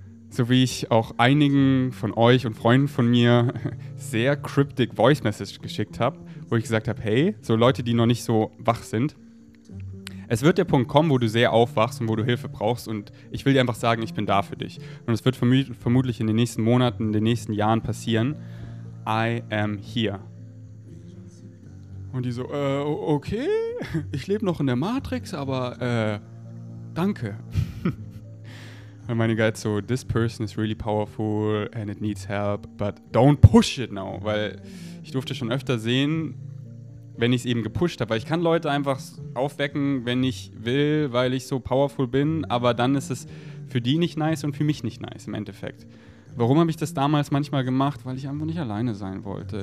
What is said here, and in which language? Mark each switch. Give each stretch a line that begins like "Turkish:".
German: So wie ich auch einigen von euch und Freunden von mir sehr cryptic Voice Message geschickt habe, wo ich gesagt habe, hey, so Leute, die noch nicht so wach sind, es wird der Punkt kommen, wo du sehr aufwachst und wo du Hilfe brauchst, und ich will dir einfach sagen, ich bin da für dich. Und es wird vermutlich in den nächsten Monaten, in den nächsten Jahren passieren.
English: I am here.
German: Und die so, okay, ich lebe noch in der Matrix, aber danke. Und meine Guide so,
English: this person is really powerful and it needs help, but don't push it now.
German: Weil ich durfte schon öfter sehen, wenn ich es eben gepusht habe. Weil ich kann Leute einfach aufwecken, wenn ich will, weil ich so powerful bin, aber dann ist es für die nicht nice und für mich nicht nice im Endeffekt. Warum habe ich das damals manchmal gemacht? Weil ich einfach nicht alleine sein wollte.